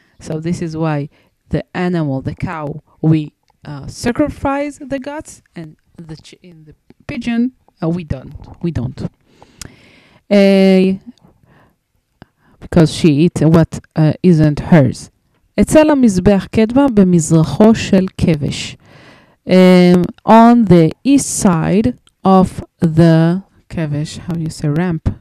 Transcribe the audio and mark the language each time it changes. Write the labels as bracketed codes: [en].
[en] So this is why the animal, the cow, we sacrifice the guts, and in the pigeon, we don't. Because she eats what isn't hers. [he] אצל המזבח קדמה במזרחו של כבש. [en] On the east side of the כבש, how you say ramp?